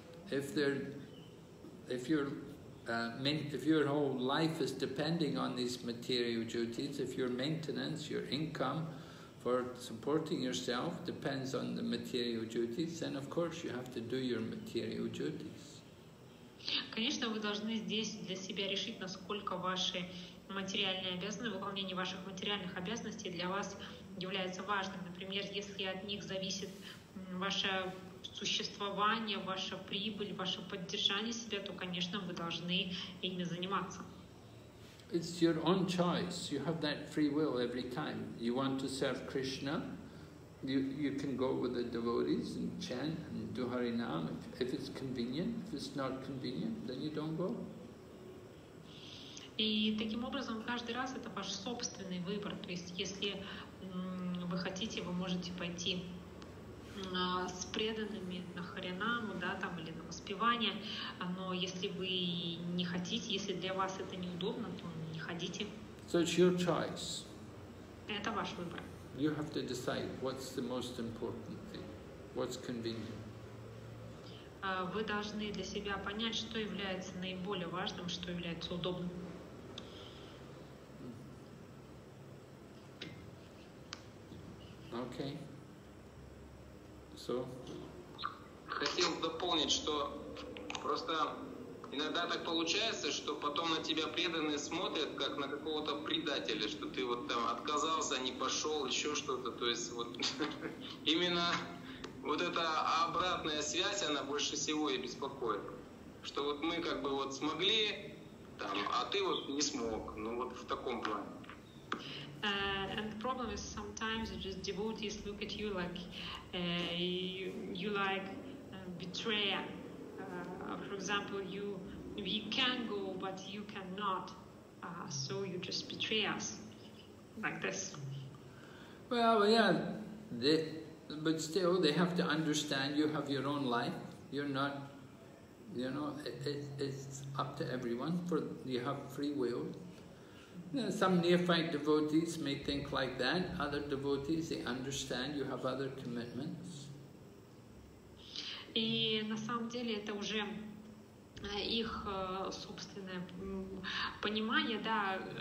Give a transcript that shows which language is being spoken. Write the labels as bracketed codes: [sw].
[en] If your whole life is depending on these material duties, if your maintenance, your income for supporting yourself depends on the material duties, then of course you have to do your material duties. [ru] Конечно, вы должны здесь для себя решить, насколько ваши материальные обязанности, выполнение ваших материальных обязанностей для вас является важным. Например, если от них зависит ваше существование, ваша прибыль, ваше поддержание себя, то, конечно, вы должны ими заниматься. [en] It's your own choice. You have that free will every time. You want to serve Krishna, you can go with the devotees and chant and do Harinam if it's convenient. If it's not convenient, then you don't go. [ru] И таким образом, каждый раз это ваш собственный выбор. То есть, если вы хотите, вы можете пойти с преданными на харинаму, да, там или на воспевание, но если вы не хотите, если для вас это неудобно, то не ходите. [en] So it's your choice. [ru] Это ваш выбор. [en] You have to decide what's the most important thing, what's convenient. [ru] Вы должны для себя понять, что является наиболее важным, что является удобным. [en] Okay. So. [ru] Хотел дополнить, что просто иногда так получается, что потом на тебя преданные смотрят как на какого-то предателя, что ты вот там отказался, не пошел, еще что-то. То есть вот именно вот эта обратная связь, она больше всего и беспокоит. Что вот мы как бы вот смогли, там, а ты вот не смог. Ну вот в таком плане. [en] And the problem is sometimes just devotees look at you like you like betrayer. For example, you can go, but you cannot. So you just betray us like this. Well, yeah, but still they have to understand you have your own life. You're not, you know, it's up to everyone. For you have free will. Some neophyte devotees may think like that. Other devotees, they understand you have other commitments. [ru] И на самом деле это уже их собственное понимание, да.